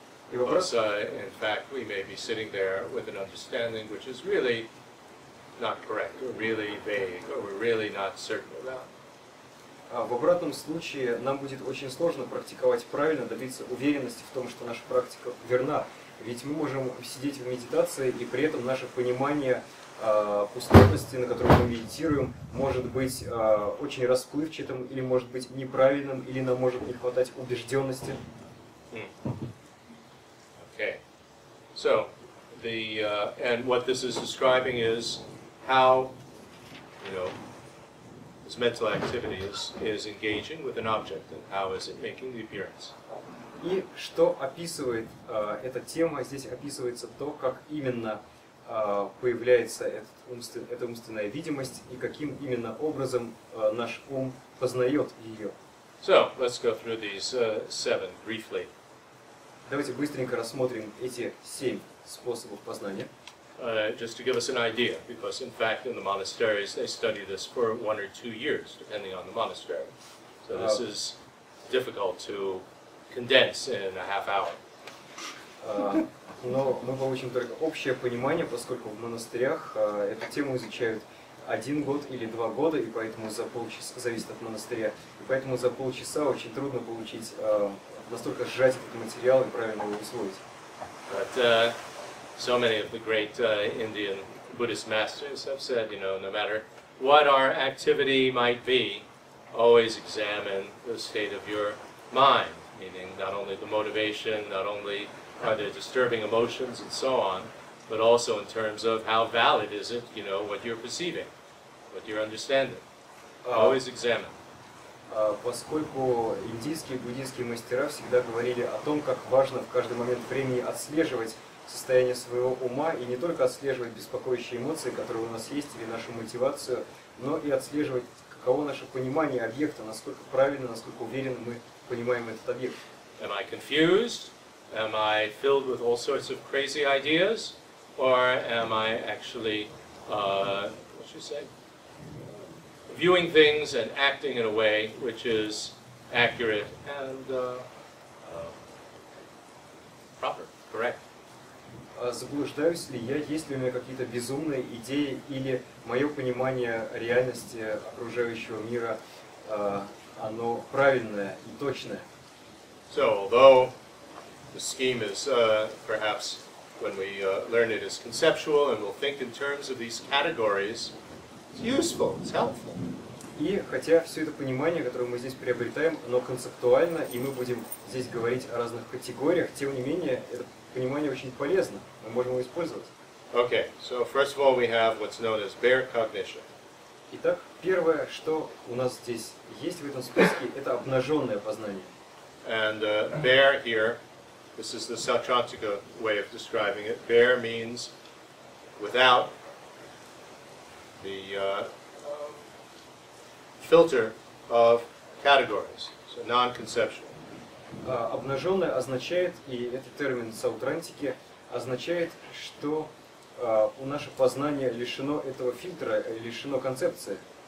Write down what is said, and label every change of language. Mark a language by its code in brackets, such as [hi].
[en] Because, in fact, we may be sitting there with an understanding which is really not correct, or really vague, or we're really not certain about. [ru] В обратном случае нам будет очень сложно практиковать правильно, добиться уверенности в том, что наша практика верна. Ведь мы можем сидеть в медитации, и при этом наше понимание пустотности, на которой мы медитируем, может быть очень расплывчатым, или может быть неправильным, или нам может не хватать убежденности. [en] Okay. So, the and what this is describing is how, you know, its mental activity is engaging with an object, and how is it making the appearance? [ru] И что описывает эта тема? Здесь описывается то, как именно появляется эта умственная видимость, и каким именно образом наш ум познает ее. [en] So, let's go through these seven briefly. [ru] Давайте быстренько рассмотрим эти семь способов познания. [en] Just to give us an idea, because in fact in the monasteries they study this for one or two years, depending on the monastery. So this is difficult to condense in a half hour. [ru] Но мы получим только общее понимание, поскольку в монастырях эту тему изучают один год или два года, и поэтому за полчаса, зависит от монастыря, и поэтому за полчаса очень трудно получить, настолько сжать этот материал и правильно его усвоить. [en] But so many of the great Indian Buddhist masters have said, you know, no matter what our activity might be, always examine the state of your mind, meaning not only the motivation, not only are there disturbing emotions and so on, but also in terms of how valid is it, you know, what you're perceiving, what you're understanding. Always examine. [ru] Поскольку индийские и буддийские мастера всегда говорили о том, как важно в каждый момент времени отслеживать состояние своего ума и не только отслеживать беспокоящие эмоции, которые у нас есть, или нашу мотивацию, но и отслеживать, каково наше понимание объекта, насколько правильно, насколько уверенно мы понимаем этот объект. [en] Am I confused? Am I filled with all sorts of crazy ideas? Or am I actually, what should I say, viewing things and acting in a way which is accurate and proper, correct? [ru] Заблуждаюсь ли я, есть ли у меня какие-то безумные идеи или мое понимание реальности окружающего мира, оно правильное и точное? [en] So, although the scheme is perhaps when we learn it is conceptual and we'll think in terms of these categories, it's useful, it's helpful. [ru] И хотя все это понимание, которое мы здесь приобретаем, оно концептуально, и мы будем здесь говорить о разных категориях, тем не менее, это понимание очень полезно, мы можем его использовать. [en] Okay, so first of all we have what's known as bare cognition. [ru] Итак, первое, что у нас здесь есть в этом списке, это обнаженное познание. [en] And bare here, this is the Sautrantika way of describing it. Bare means without the filter of categories, so non-conceptual. [ru] Обнаженное означает, и этот термин Саутрантики означает, что наше познание лишено этого фильтра, лишено концепции.